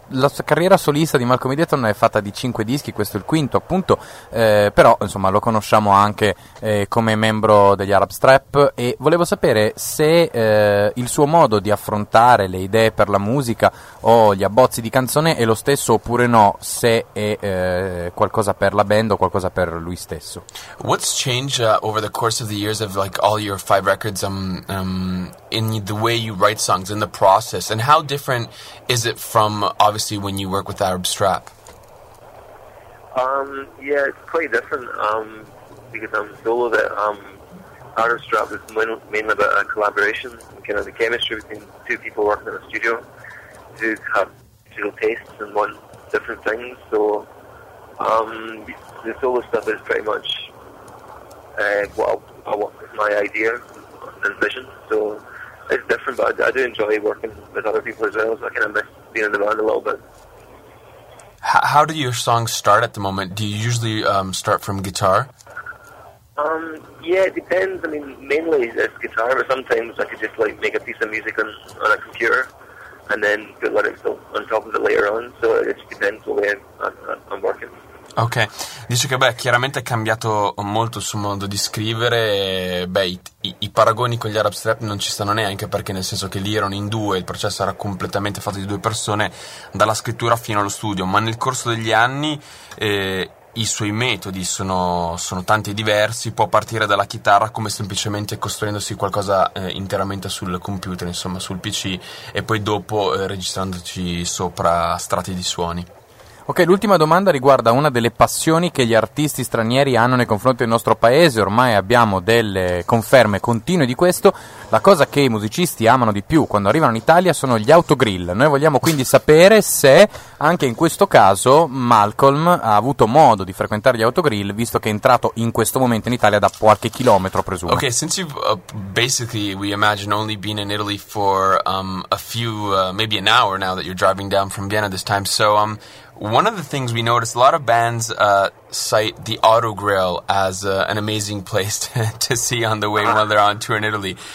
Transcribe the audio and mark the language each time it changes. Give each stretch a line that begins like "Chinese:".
Italian: La sua carriera solista di Malcolm Mediaton è fatta di 5 dischi, questo è il quinto appunto, però insomma lo conosciamo anche come membro degli Arab Strap, e volevo sapere se il suo modo di affrontare le idee per la musica o gli abbozzi di canzone è lo stesso oppure no, se è qualcosa per la band o qualcosa per lui stesso.
English: What's changed over the course of the years of like all your 5 records in the way you write songs, in the process, and how different is it from obviously when you work with Arab Strap? Yeah, it's quite different because I'm solo. That Arab Strap is mainly about a collaboration, kind of the chemistry between two people working in a studio who have musical tastes and want different things. So the solo stuff is pretty much what my idea and vision. So it's different, but I do enjoy working with other people as well, so I kind of miss being in the band a little bit. How do your songs start at the moment? Do you usually start from guitar? Yeah, it depends. I mean, mainly it's guitar, but sometimes I could just like make a piece of music on a computer and then put lyrics on top of it later on, so it just depends the way I'm working.
Italian: Ok, dice che beh, chiaramente è cambiato molto il suo modo di scrivere, beh, i paragoni con gli Arab Strap non ci stanno neanche, perché nel senso che lì erano in due, il processo era completamente fatto di due persone, dalla scrittura fino allo studio, ma nel corso degli anni i suoi metodi sono tanti e diversi, può partire dalla chitarra come semplicemente costruendosi qualcosa interamente sul computer, insomma sul PC, e poi dopo registrandoci sopra strati di suoni. Ok, l'ultima domanda riguarda una delle passioni che gli artisti stranieri hanno nei confronti del nostro paese, ormai abbiamo delle conferme continue di questo, la cosa che i musicisti amano di più quando arrivano in Italia sono gli autogrill, noi vogliamo quindi sapere se anche in questo caso Malcolm ha avuto modo di frequentare gli autogrill, visto che è entrato in questo momento in Italia da qualche chilometro, presumo.
English: Ok, since you've basically, we imagine, only been in Italy for a few, maybe an hour now that you're driving down from Vienna this time, so one of the things we noticed, a lot of bands cite the Auto Grill as an amazing place to see on the way while they're on tour in Italy.